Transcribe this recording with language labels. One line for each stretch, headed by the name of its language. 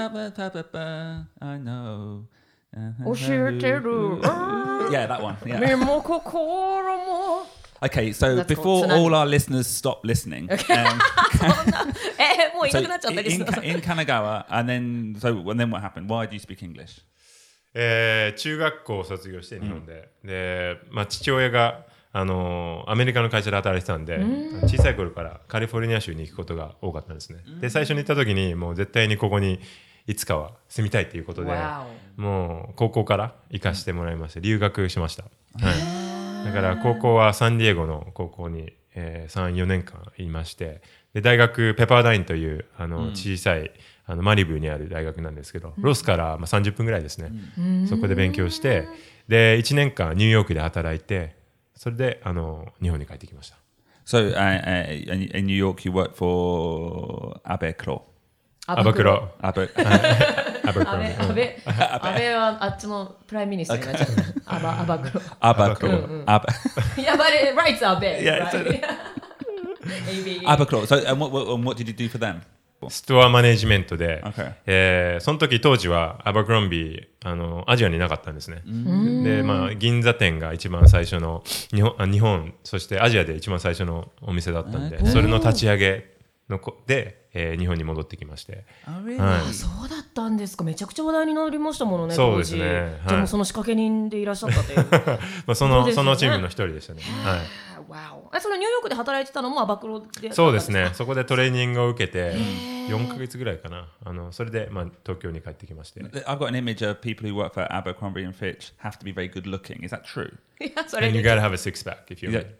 English: I know. Yeah, that one. Yeah. Okay, so That's before all our listeners stop listening. so in Kanagawa, and then, so, and then what happened? Why do you speak English?
Japanese: 中学校を卒業して日本で、うん、で、まあ、父親が、アメリカの会社で働いてたんで、うん、小さい頃からカリフォルニア州に行くことが多かったんですね、うん、で最初に行った時にもう絶対にここにいつかは住みたいということで、もう高校から行かせてもらいまして、うん、留学しました、はい、だから高校はサンディエゴの高校に、3、4年間いまして、で大学ペパーダインという、小さい、うん、あのマリブにある大学なんですけど、ロスから、まあ、30分ぐらいですね、うん、そこで勉強して、で1年間ニューヨークで働いて、それで日本に帰ってきました。
English: So in New York you worked for アベクロ。
Japanese: アベクロ、アベ、アベクロ、アベ、アベ、アベはあっちのプライミニストになっちゃった。アバクロ、アバクロ、アベ、やばい、ライツアベ、
English: アベクロ。So what did you do for them?
Japanese: ストアマネジメントで、
English: okay.
Japanese: その時当時はアバクロンビー、アジアになかったんですね。で、まあ、銀座店が一番最初の日本そしてアジアで一番最初のお店だったんで、それの立ち上げの子で、日本に戻ってきまして、はい、そうだったんですか。めちゃくちゃ話題になりましたものね。そうですね、はい、でもその仕掛け人でいらっしゃったという、まあ、その、そのチームの一人でしたね。はい、
English: Wow.
Japanese: そのニューヨークで働いてたのもアバクロで。そうですね、そこでトレーニングを受けて4ヶ月ぐらいかな、それで、まあ、東京に帰ってきまして。
English: I've got an image of people who work for Abercrombie and Fitch have to be very good looking. Is that true? Yeah, sorry. And you gotta have a six pack if you're